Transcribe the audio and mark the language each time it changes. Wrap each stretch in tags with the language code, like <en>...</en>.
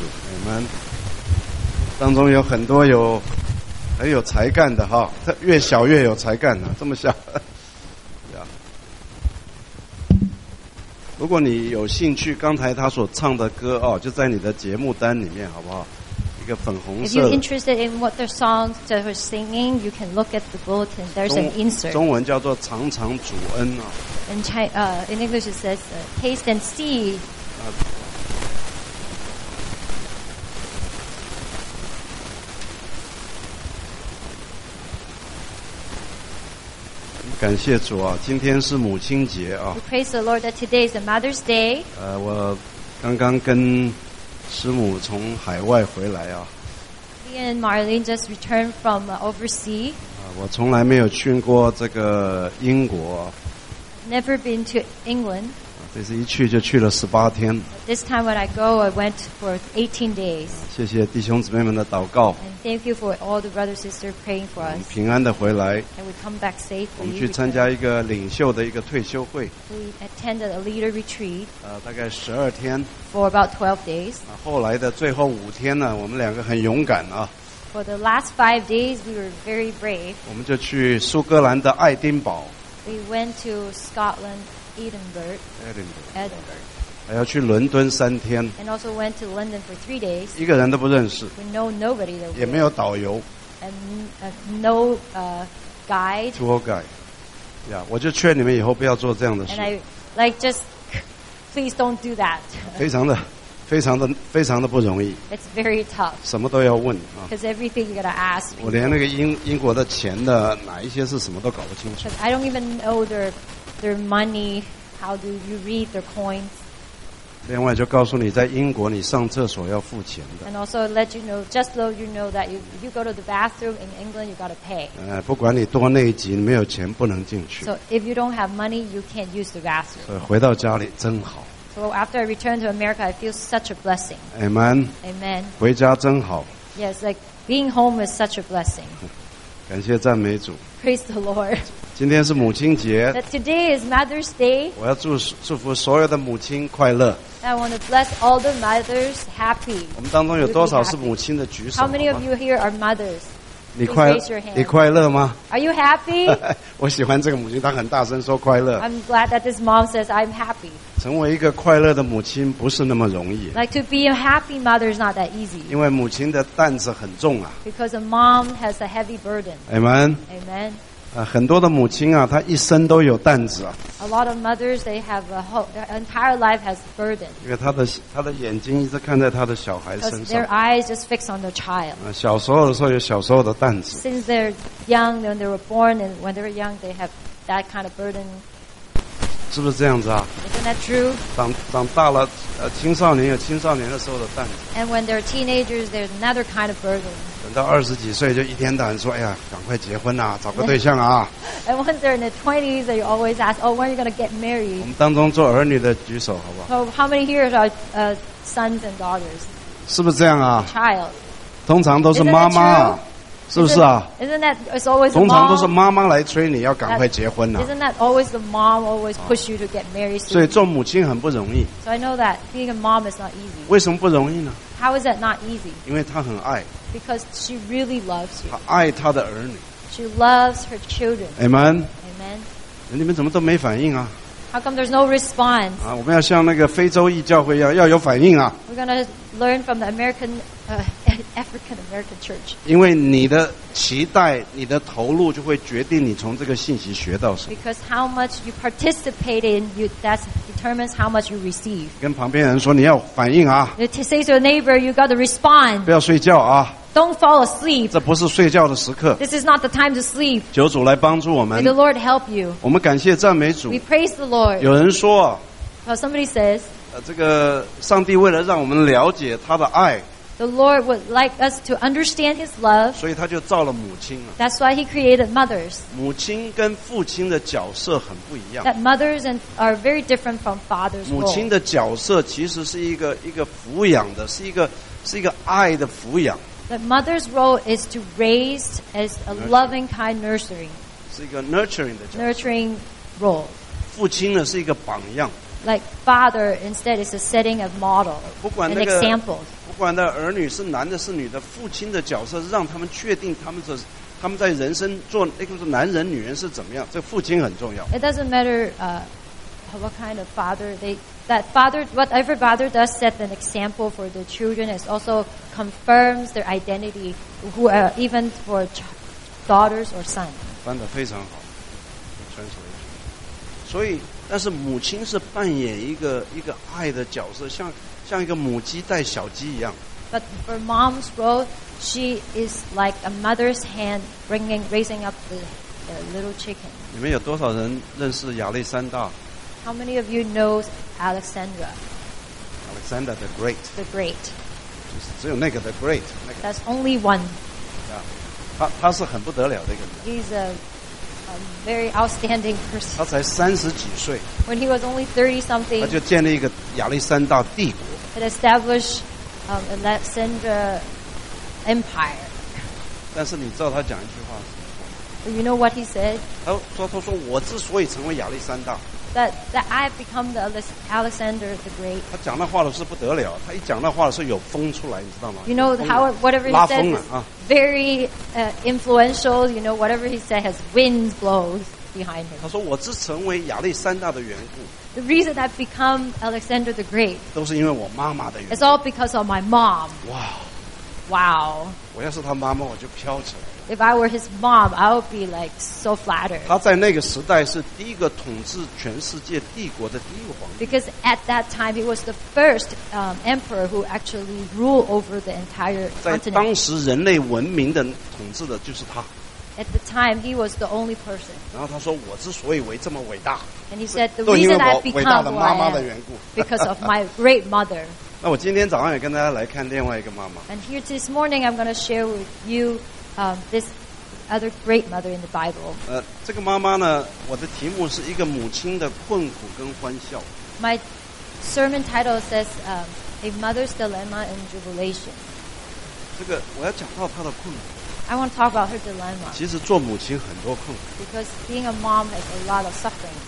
<zh>我们当中有很多有很有才干的哈，越小越有才干的，这么小。如果你有兴趣，刚才他所唱的歌哦，就在你的节目单里面，好不好？一个粉红色。</zh> <en>If you're interested in what their songs that were singing, you can look at the bulletin. There's an insert.</en> <zh>中文叫做“尝尝主恩”啊。</zh> <en>In China, in English, it says "Taste and See."</en> <zh>感谢主啊，今天是母亲节啊。</zh> <en>We praise the Lord that today is a Mother's Day.</en> <zh>我刚刚跟师母从海外回来啊。</zh> <en>Me and Marlene just returned from overseas.</en> <zh>我从来没有去过这个英国。</zh> <en>Never been to England.</en> <zh>这次一去就去了18天。</zh> <en>This time when I go, I went for 18 days.</en> <zh>谢谢弟兄姊妹们的祷告。</zh> <en>And thank you for all the brothers and sisters praying for us.</en> <zh>平安的回来。</zh> <en>And we come back safely.</en> <zh>我们去参加一个领袖的一个退休会。</zh> <en>We attended a leader retreat.</en> <zh>大概12天。</zh> <en>For about 12 days.</en> <zh>后来的最后5天呢，我们两个很勇敢啊。</zh> <en>For the last 5 days, we were very brave.</en> <zh>我们就去苏格兰的爱丁堡。</zh> <en>We went to Scotland, Edinburgh. Edinburgh.</en> <zh>还要去伦敦3天。</zh> <en>And also went to London for 3 days.</en> <zh>一个人都不认识。</zh> <en>We know nobody.</en> <zh>也没有导游。</zh> <en>And no guide. Tour guide. Yeah,</en> <zh>我就劝你们以后不要做这样的事。</zh> <en>And I like just please don't do that.</en> <zh>非常的不容易。</zh> <en>It's very tough.</en> <zh>什么都要问啊。</zh> <en>Because everything you gotta ask.</en> <zh>我连那个英国的钱的哪一些是什么都搞不清楚。</zh> <en>I don't even know their money. How do you read their coins?</en> <zh>另外就告诉你，在英国你上厕所要付钱的。</zh> <en>And also let you know, just so you know that you go to the bathroom in England, you gotta pay.</en> <zh>不管你多内急，没有钱不能进去。</zh> <en>So if you don't have money, you can't use the bathroom.</en> <zh>所以回到家里真好。</zh> <en>Well, after I returned to America, I feel such a blessing. Amen. Amen.</en> <zh>回家真好。</zh> <en>Yes, like being home is such a blessing.</en> <zh>感谢赞美主。</zh> <en>Praise the Lord.</en> <zh>今天是母亲节。</zh> <en>But today is Mother's Day.</en> <zh>我要祝福所有的母亲快乐。</zh> <en>I want to bless all the mothers happy.</en> <zh>我们当中有多少是母亲的举手？</zh> <en>How many of you here are mothers?</en> <zh>你快</zh> <en>？Please raise your hand.</en> <zh>你快乐吗？</zh> <en>Are you happy?</en> <zh>我喜欢这个母亲，她很大声说快乐。</zh> <en>I'm glad that this mom says I'm happy.</en> <zh>成为一个快乐的母亲不是那么容易。</zh> <en>Like to be a happy mother is not that easy.</en> <zh>因为母亲的担子很重啊。</zh> <en>Because a mom has a heavy burden. Amen. Amen.</en> <zh>很多的母亲啊，她一生都有担子啊。</zh> <en>A lot of mothers, they have a whole, their entire life has burden.</en> <zh>因为她的眼睛一直看在她的小孩身上。</zh> <en>Because their eyes just fix on their child.</en> <zh>小时候的时候有小时候的担子。</zh> <en>Since they're young, when they were born, and when they were young, they have that kind of burden.</en> <zh>是不是这样子啊</zh> <en>Isn't that true?</en> <zh>长大了青少年有青少年的时候的担子</zh> <en>And when they're teenagers, there's another kind of burden</en> <zh>等到20几岁就一天到晚说哎呀赶快结婚啊找个对象啊</zh> <en>And when they're in their 20s, they always ask Oh, when are you going to get married?</en> <zh>我们当中做儿女的举手好不好</zh> <en>So how many here are sons and daughters?</en> <zh>是不是这样啊</zh> <en>Child</en> <zh>通常都是妈妈是不是啊</zh> <en>isn't that always</en> <zh>通常都是妈妈来催你要赶快结婚啊</zh> <en>isn't that always the mom always push you to get married</en> <zh>所以做母亲很不容易</zh> <en>so I know that being a mom is not easy</en> <zh>为什么不容易呢</zh> <en>how is that not easy</en> <zh>因为她很爱</zh> <en>because she really loves you</en> <zh>她爱她的儿女</zh> <en>she loves her children amen amen</en> <zh>你们怎么都没反应啊</zh> <en>how come there's no response</en> <zh>我们要像那个非洲异教会一样要有反应啊</zh> <en>we're gonna learn from the AmericanAfrican-American church.</en> <zh>因为你的期待，你的投入就会决定你从这个信息学到什么。</zh> <en>Because how much you participate in, that determines how much you receive.</en> <zh>跟旁边人说你要反应啊。</zh> <en>To say to your neighbor, you got to respond.</en> <zh>不要睡觉啊。</zh> <en>Don't fall asleep.</en> <zh>这不是睡觉的时刻。</zh> <en>This is not the time to sleep.</en> <zh>求主来帮助我们。</zh> <en>May the Lord help you.</en> <zh>我们感谢赞美主。</zh> <en>We praise the Lord.</en> <zh>有人说。</zh> <en>Well, somebody says.</en> <zh>这个上帝为了让我们了解他的爱。</zh> <en>The Lord would like us to understand His love.</en> <zh>所以他就造了母亲了。</zh> <en>That's why He created mothers.</en> <zh>母亲跟父亲的角色很不一样。</zh> <en>That mothers are very different from fathers.</en> <zh>母亲的角色其实是一个抚养的，是一个爱的抚养。</zh> <en>The mother's role is to raise as a loving kind nursery.</en> <zh>是一个 nurturing 的角色。</zh> <en>Nurturing role.</en> <zh>父亲呢是一个榜样。</zh> <en>Like father instead is a setting of model.</en> <zh>不管那个</zh> <en>an example.</en> <zh>不管的儿女是男的是女的，父亲的角色是让他们确定他们在人生做那个男人女人是怎么样，这个父亲很重要。</zh> <en>It doesn't matter what kind of father they. That father, whatever father does, set an example for the children. It also confirms their identity, who even for daughters or sons.</en> <zh>翻得非常好 ，translation. 所以，但是母亲是扮演一个爱的角色，像一个母鸡带小鸡一样。</zh> <en>But for mom's role, she is like a mother's hand raising up the little chicken.</en> <zh>你们有多少人认识亚历山大？</zh> <en>How many of you know Alexandra? Alexander the Great. The Great.</en> <zh>就是只有那个</zh> <en>the Great.</en> <zh>那个。</zh> <en>That's only one. Yeah.</en> <zh>他是很不得了的一个人。</zh> <en>He's a very outstanding person.</en> <zh>他才三十几岁。</zh> <en>When he was only 30 something.</en> <zh>他就建立一个亚历山大帝国。</zh> <en>He established Alexandra Empire.</en> <zh>但是你知道他讲一句话是什</zh> <en>么？You know what he said?</en> <zh>他说我之所以成为亚历山大。</zh> <en>That I have become the Alexander the Great.</en> <zh>他讲那话的是不得了，他一讲那话的是有风出来，你知道吗</zh> <en>？You know how whatever he said is very influential. You know whatever he said has wind blows behind him.</en> <zh>他说我只成为亚历山大的缘故。</zh> <en>The reason I've become Alexander the Great.</en> <zh>都是因为我妈妈的缘故。</zh> <en>It's all because of my mom. Wow. Wow.</en> <zh>我要是他妈妈，我就飘起来。</zh> <en>If I were his mom, I would be like so flattered.</en> <zh>他在那个时代是第一个统治全世界帝国的第一个皇帝。</zh> <en>Because at that time, he was the first emperor who actually ruled over the entire continent.</en> <zh>在当时人类文明的统治的就是他。</zh> <en>At the time, he was the only person.</en> <zh>然后他说，我之所以为这么伟大。</zh> <en>And he said, the reason I've become who I am.</en> <zh>伟大的妈妈的缘故。</zh> <en>Because of my great mother.</en> <zh>那我今天早上也跟大家来看另外一个妈妈。</zh> <en>And here this morning, I'm going to share with you. This other great mother in the Bible.</en> <zh>这个妈妈呢，我的题目是一个母亲的困苦跟欢笑。</zh> <en>My sermon title says, "A Mother's Dilemma and Jubilation."</en> <zh>这个我要讲到她的困苦。</zh> <en>I want to talk about her dilemma.</en> <zh>其实做母亲很多困苦。</zh> <en>Because being a mom has a lot of suffering.</en>